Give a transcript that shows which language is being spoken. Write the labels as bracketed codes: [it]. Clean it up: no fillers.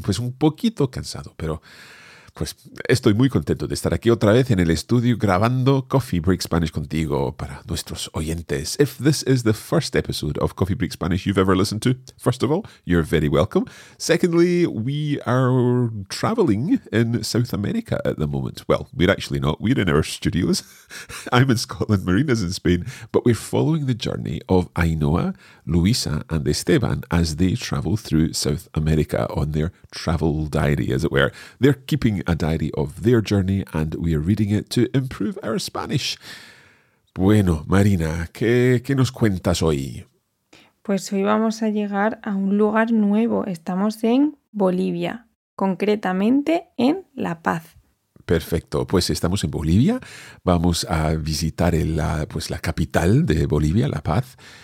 [es] Pues un poquito cansado, pero pues estoy muy contento de estar aquí otra vez en el estudio grabando Coffee Break Spanish contigo para nuestros oyentes. [en] If this is the first episode of Coffee Break Spanish you've ever listened to, first of all, you're very welcome. Secondly, we are traveling in South America at the moment. Well, we're actually not. We're in our studios. I'm in Scotland, Marina's in Spain, but we're following the journey of Ainhoa, Luisa and Esteban as they travel through South America on their travel diary, as it were. They're keeping a diary of their journey, and we are reading it to improve our Spanish. [es] Bueno, Marina, ¿qué nos cuentas hoy? Pues hoy vamos a llegar a un lugar nuevo. Estamos en Bolivia, concretamente en La Paz. Perfecto, pues estamos en Bolivia. Vamos a visitar la capital de Bolivia, La Paz.